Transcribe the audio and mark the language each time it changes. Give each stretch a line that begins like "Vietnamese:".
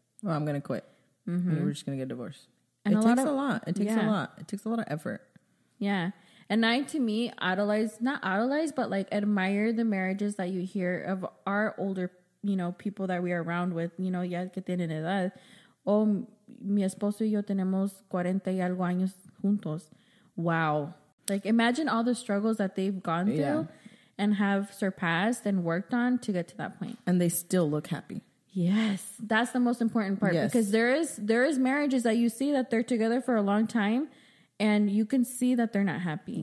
English: well, I'm gonna quit. Mm-hmm. We're just gonna get divorced. And it takes a lot of effort. Yeah. And I, to me, idolize but admire the marriages that you hear of our older, you know, people that we are around with, you know, ya que tienen edad.
Spanish: Oh, mi esposo y yo tenemos 40 y algo años juntos.
English: Wow. Like, imagine all the struggles that they've gone through and have surpassed and worked on to get to that point. And they still look happy. Yes. That's the most important part. Yes. Because there is marriages that you see that they're together for a long time and you can see that they're not happy.